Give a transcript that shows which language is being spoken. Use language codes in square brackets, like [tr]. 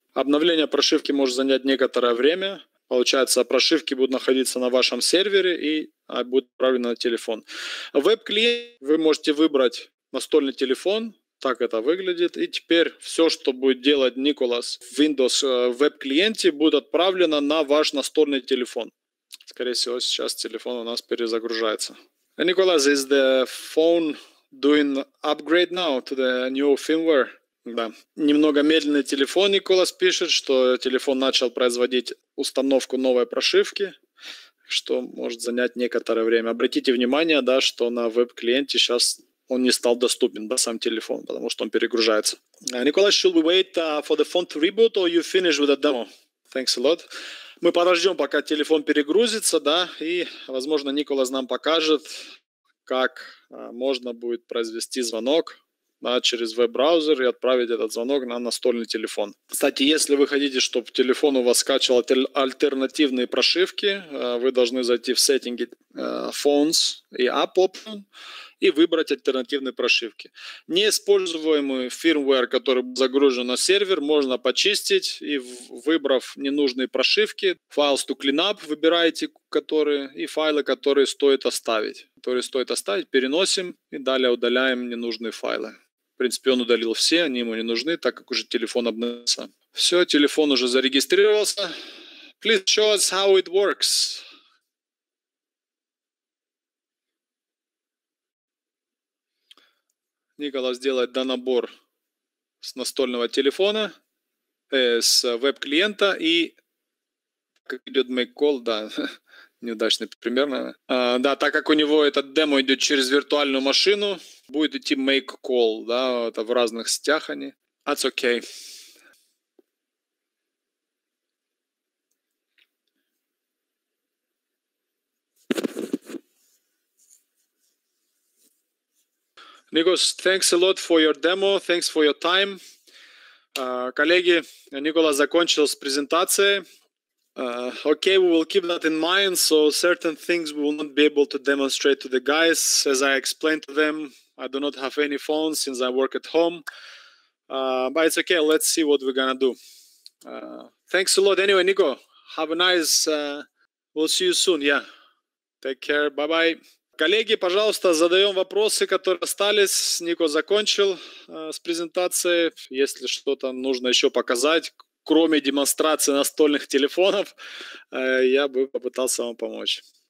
[ru] Обновление прошивки может занять некоторое время. Получается, прошивки будут находиться на вашем сервере и будут отправлены на телефон. Веб-клиент вы можете выбрать настольный телефон, так это выглядит. И теперь все, что будет делать Николас в Windows веб-клиенте, будет отправлено на ваш настольный телефон. Скорее всего, сейчас телефон у нас перезагружается. [en] Николас, is the phone doing upgrade now to the new firmware? [ru] Да. Немного медленный телефон, Николас пишет, что телефон начал производить установку новой прошивки, что может занять некоторое время. Обратите внимание, да, что на веб-клиенте сейчас он не стал доступен, да, сам телефон, потому что он перегружается. [en] Николас, should we wait for the phone to reboot or you finish with the demo? Thanks a lot. [ru] Мы подождем, пока телефон перегрузится, да, и, возможно, Николас нам покажет, как можно будет произвести звонок, да, через веб-браузер и отправить этот звонок на настольный телефон. Кстати, если вы хотите, чтобы телефон у вас скачивал альтернативные прошивки, вы должны зайти в сеттинги Phones и App Open и выбрать альтернативные прошивки. Неиспользуемый firmware, который загружен на сервер, можно почистить, и выбрав ненужные прошивки, [en] files to clean up [ru] выбираете, которые, и файлы, которые стоит оставить. Которые стоит оставить, переносим и далее удаляем ненужные файлы. В принципе, он удалил все, они ему не нужны, так как уже телефон обновился. Все, телефон уже зарегистрировался. [en] Please show us how it works. [ru] Николас делает донабор с настольного телефона, с веб-клиента и... Как идет make call, да, неудачный пример, наверное. Да, так как у него этот демо идет через виртуальную машину, будет идти make call, да, это в разных сетях они. [en] That's okay. Nikos, thanks a lot for your demo, thanks for your time. [ru] Коллеги, Николас закончил с презентацией. [en] Okay, we will keep that in mind, so certain things we will not be able to demonstrate to the guys. As I explained to them, I do not have any phone since I work at home. But it's okay, let's see what we're gonna do. Thanks a lot. Anyway, Nico, have a nice We'll see you soon, yeah. Take care, bye-bye. [ru] Коллеги, пожалуйста, задаем вопросы, которые остались. Нико закончил с презентацией. Если что-то нужно еще показать, кроме демонстрации настольных телефонов, я бы попытался вам помочь.